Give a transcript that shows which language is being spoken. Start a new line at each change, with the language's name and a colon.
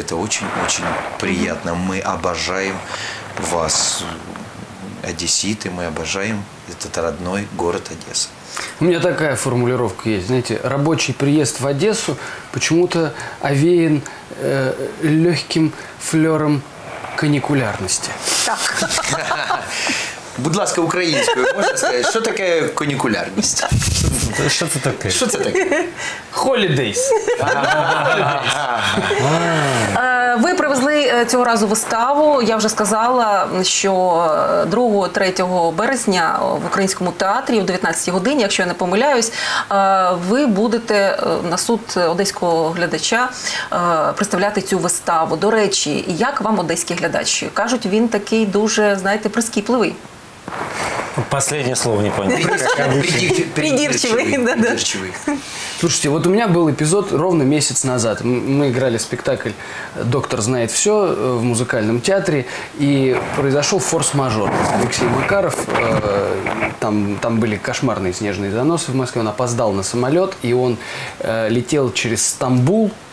Russian: Это очень приятно. Мы обожаем вас, одесситы, мы обожаем этот родной город Одесса. У меня такая формулировка есть, знаете, рабочий приезд в Одессу почему-то овеян легким флером каникулярности. Так.
Ukrainian: Будь ласка, українською, можна сказати, що таке канікулярність? Що це таке? Що це таке?
English: Holidays.
Ukrainian: Ви привезли цього разу виставу. Я вже сказала, що 2-3 березня в Українському театрі о 19-й годині, якщо я не помиляюсь, ви будете на суд одеського глядача представляти цю виставу. До речі, як вам одеський глядач? Кажуть, він такий дуже, знаєте, прискіпливий.
Russian: Последнее слово не понял. Придирчивый. Слушайте, вот у меня был эпизод ровно месяц назад. Мы играли спектакль «Доктор знает все» в музыкальном театре. И произошел форс-мажор. Алексей Макаров, там были кошмарные снежные заносы в Москве. Он опоздал на самолет, и он летел через Стамбул.